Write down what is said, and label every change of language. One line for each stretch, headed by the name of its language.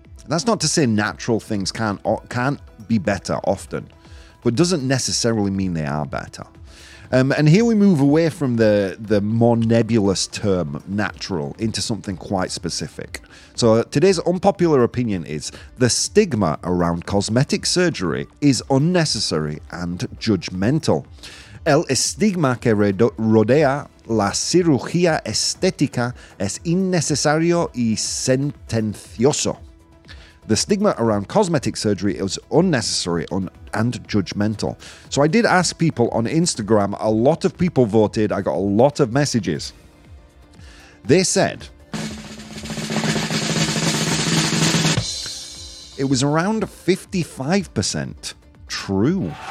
English: That's not to say natural things can't be better often, but doesn't necessarily mean they are better. And here we move away from the more nebulous term natural into something quite specific. So today's unpopular opinion is the stigma around cosmetic surgery is unnecessary and judgmental.
Spanish: El estigma que rodea la cirugía estética es innecesario y sentencioso.
English: The stigma around cosmetic surgery is unnecessary and judgmental. So I did ask people on Instagram. A lot of people voted. I got a lot of messages. They said it was around 55% true.